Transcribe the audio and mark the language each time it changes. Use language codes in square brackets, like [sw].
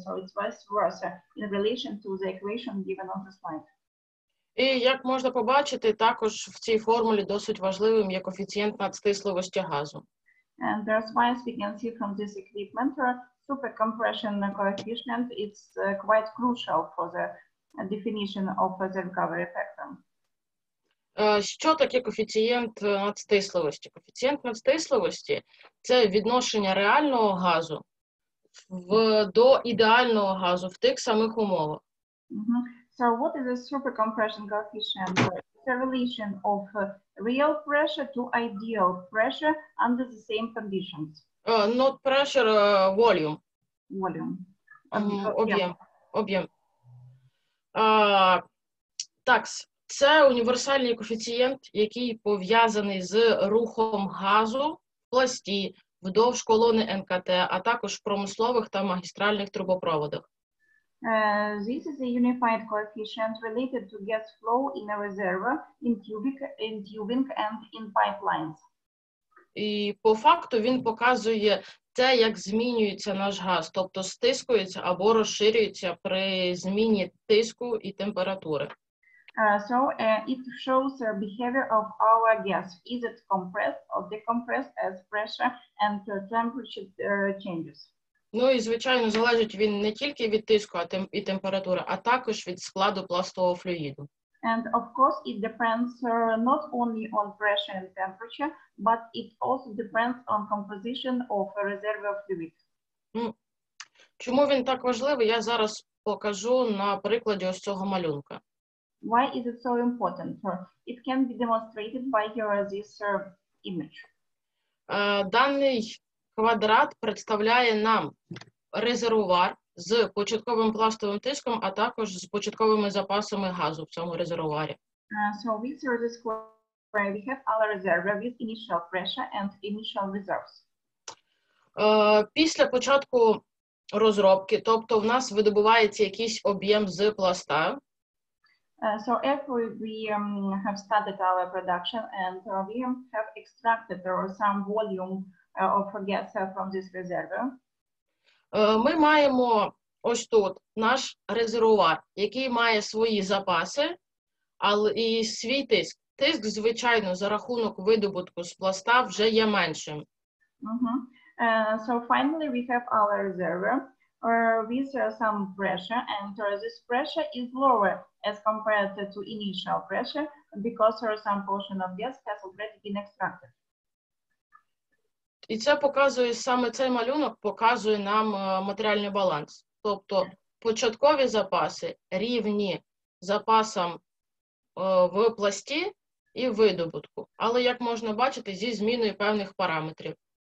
[en] So it's vice versa in relation to the equation given on the slide. [uk] І як можна побачити, також в цій формулі досить важливим є коефіцієнт надстисливості газу. [en] And there's one we can see from this equipment, supercompression coefficient, it's quite crucial for the definition of the recovery factor. [uk] Що таке коефіцієнт надстисливості? Коефіцієнт надстисливості – це відношення реального газу до ідеального газу в тих самих умовах. [en] So what is the supercompression coefficient? It's a relation of real pressure to ideal pressure under the same conditions. Not pressure, volume. Volume. [uk] Об'єм. Об'єм. Так, це універсальний коефіцієнт, який пов'язаний з рухом газу в пласті вдовж колони НКТ, а також в промислових та магістральних трубопроводах. [en] This is a unified coefficient related to gas flow in a reservoir, in tubing and in pipelines. [uk] І по факту він показує те, як змінюється наш газ, тобто стискується або розширюється при зміні тиску і температури. [en] It shows the behavior of our gas. Is it compressed or decompressed as pressure and temperature changes? [uk] Ну і, звичайно, залежить він не тільки від тиску і температури, а також від складу пластового флюїду. [en] And of course it depends not only on pressure and temperature, but it also depends on composition of a reservoir fluid. [uk] Чому він так важливий, я зараз покажу на прикладі ось цього малюнка. [en] Why is it so important? It can be demonstrated by here this image. [uk] Даний квадрат представляє нам резервуар з початковим пластовим тиском, а також з початковими запасами газу в цьому резервуарі. [en] So we see this square, we have our reservoir with initial pressure and initial reserves. [uk] Після початку розробки, тобто в нас видобувається якийсь об'єм з пласта. [en] So after we have started our production and we have extracted some volume of gas from this reservoir. [uk] Ми маємо ось тут наш резервуар, який має свої запаси, але і свій тиск. Тиск, звичайно, за рахунок видобутку з пласта вже є меншим. [en] So finally we have our reservoir with some pressure, and this pressure is lower as compared to initial pressure because some portion of gas has already been extracted. [uk] І це показує, саме цей малюнок показує нам матеріальний баланс. Тобто початкові запаси рівні запасам в пласті і видобутку. Але, як можна бачити, зі зміною певних параметрів.